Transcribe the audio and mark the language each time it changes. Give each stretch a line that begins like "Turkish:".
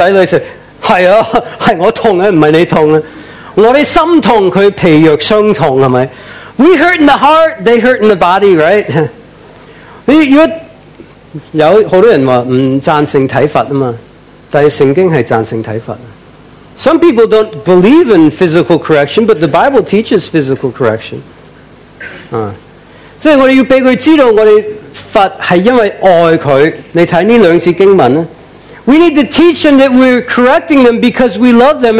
Chinese: 跟着他的子女说, 是啊, 是我痛的, 不是你痛的。我们心痛, 他皮肉伤痛, 是吧?
English: We hurt in the heart, they hurt in the body, right?
Chinese: 有很多人说不赞成体罚嘛, 但是圣经是赞成体罚的。
English: Some people don't believe in physical correction, but the Bible teaches physical correction.
Chinese: 所以我们要让他知道我们罚是因为爱他, 你看这两节经文呢,
English: we need to teach them that we're correcting them because we love them.